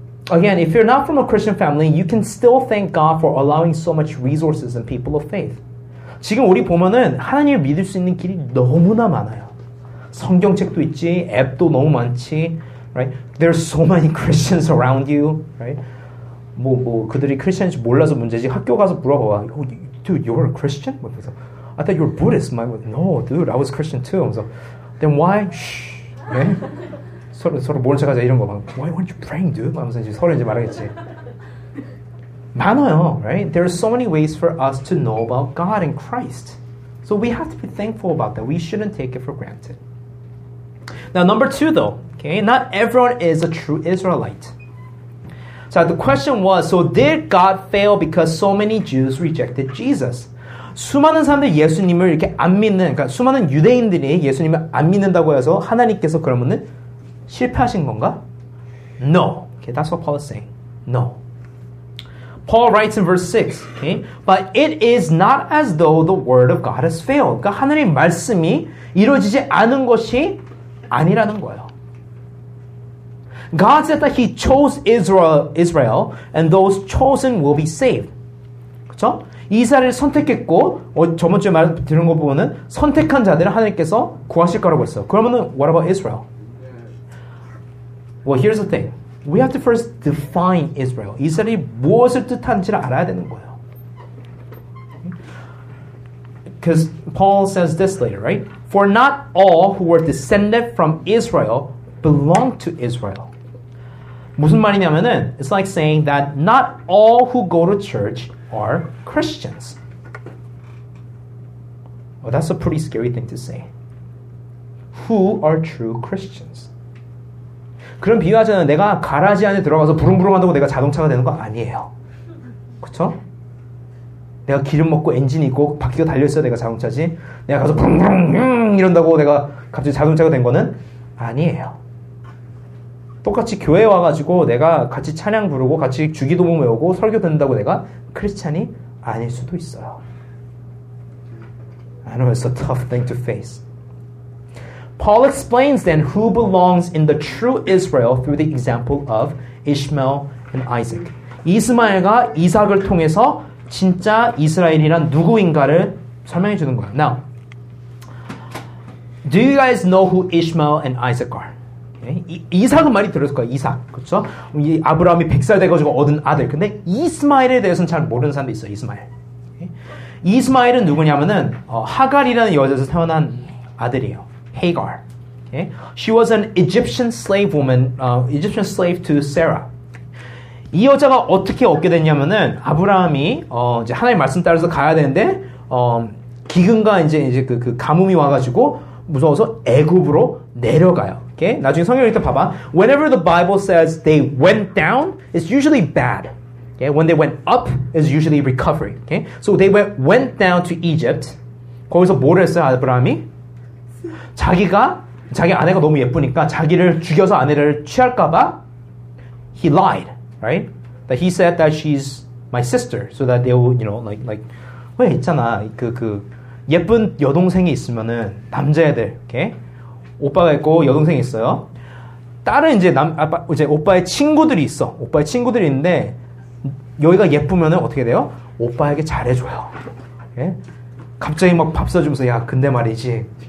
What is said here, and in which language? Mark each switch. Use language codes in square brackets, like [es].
[en] Again, if you're not from a Christian family, you can still thank God for allowing so much resources and people of faith. [ko] 지금 우리 보면은 하나님을 믿을 수 있는 길이 너무나 많아요. 성경책도 있지, 앱도 너무 많지, right? [en] There are so many Christians around you, right? [ko] 뭐 그들이 크리스천인지 몰라서 문제지. 학교 가서 물어봐. [en] Oh, dude, you're a Christian? I thought you were Buddhist. My, no, dude, I was Christian too. So, then why? Shh. Okay? [ko] 서로 모른 척하자 이런 거 막 [en] Why weren't you praying, dude? [ko] 하면서 서로 이제 말하겠지. 많아요, right? [en] There are so many ways for us to know about God and Christ. So we have to be thankful about that. We shouldn't take it for granted. Now, number two, though, okay? Not everyone is a true Israelite. So the question was, so did God fail because so many Jews rejected Jesus? [ko] 수많은 사람들이 예수님을 이렇게 안 믿는, 그러니까 수많은 유대인들이 예수님을 안 믿는다고 해서 하나님께서 그러면은 실패하신 건가? [en] No. Okay, that's what Paul is saying. No. Paul writes in verse 6, okay, but it is not as though the word of God has failed. [ko] 그러니까 하나님의 말씀이 이루어지지 않은 것이 아니라는 거예요. [en] God said that he chose Israel, and those chosen will be saved. [ko] 그쵸? 이스라엘을 선택했고, 저번 주에 들은 거 보면은 선택한 자들을 하나님께서 구하실 거라고 했어요. 그러면은 [en] what about Israel? Well, here's the thing. We have to first define Israel. [ko] 이스라엘이 무엇을 뜻하는지를 알아야 되는 거예요. [en] Because Paul says this later, right? For not all who were descended from Israel belong to Israel. [ko] 무슨 말이냐면은, [en] it's like saying that not all who go to church are Christians. Well, that's a pretty scary thing to say. Who are true Christians? [ko] 그런 비유하자면 내가 가라지 안에 들어가서 부릉부릉한다고 내가 자동차가 되는 거 아니에요. 그쵸? 내가 기름 먹고 엔진 있고 바퀴가 달려있어야 내가 자동차지. 내가 가서 부릉부릉 이런다고 내가 갑자기 자동차가 된 거는 아니에요. 똑같이 교회 와가지고 내가 같이 찬양 부르고 같이 주기도문 외우고 설교 듣는다고 내가 크리스찬이 아닐 수도 있어요. [en] I know it's a tough thing to face. Paul explains then who belongs in the true Israel through the example of Ishmael and Isaac. [ko] 이스마엘과 이삭을 통해서 진짜 이스라엘이란 누구인가를 설명해 주는 거야. [en] Now, do you guys know who Ishmael and Isaac are? Okay. [ko] 이삭은 많이 들었을 거야. 이삭. 그렇죠? 아브라함이 100살 돼가지고 얻은 아들. 근데 이스마엘에 대해서는 잘 모르는 사람도 있어요. 이스마엘. Okay. 이스마엘은 누구냐면은 하갈이라는 여자에서 태어난 아들이에요. [en] Hagar. Okay? She was an Egyptian slave woman, Egyptian slave to Sarah. [ko] 이 여자가 어떻게 얻게 됐냐면은 아브라함이 이제 하나님 말씀 따라서 가야 되는데 기근과 이제 그 가뭄이 와 가지고 무서워서 애굽으로 내려가요. [en] Okay? [ko] 나중에 성경을 읽다 봐봐. [en] Whenever the Bible says they went down, it's usually bad. Okay? When they went up, it's usually recovery. Okay? So they went down to Egypt. [ko] 거기서 뭐를 했어요, 아브라함이? 자기가 자기 아내가 너무 예쁘니까 자기를 죽여서 아내를 취할까 봐 [en] he lied, right? That he said that she's my sister so that they will, you know, like [ko] 왜 있잖아. 그 예쁜 여동생이 있으면은 남자애들, 오케이? 오빠가 있고 여동생이 있어요. 딸은 이제 이제 오빠의 친구들이 있어. 오빠의 친구들이 있는데 여기가 예쁘면은 어떻게 돼요? 오빠에게 잘해 줘요. 예? 갑자기 막 밥 사 주면서 야, 근데 말이지.